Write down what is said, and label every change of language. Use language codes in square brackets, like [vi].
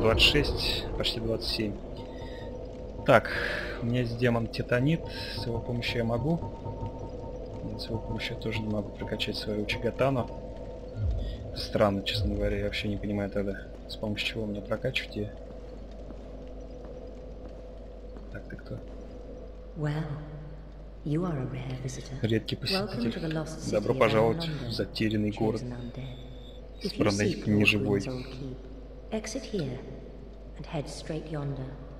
[ru] 26, почти 27. Так, у меня есть демон Титанит. С его помощью я могу. С его помощью я тоже не могу прокачать свою Чигатану. Странно, честно говоря, я вообще не понимаю тогда. С помощью чего мне прокачивать ее? Так, ты кто? [en] Well, you are a rare visitor. [ru] Редкий посетитель. Добро пожаловать в затерянный город. Избранный неживой. [en] Exit here and head straight yonder.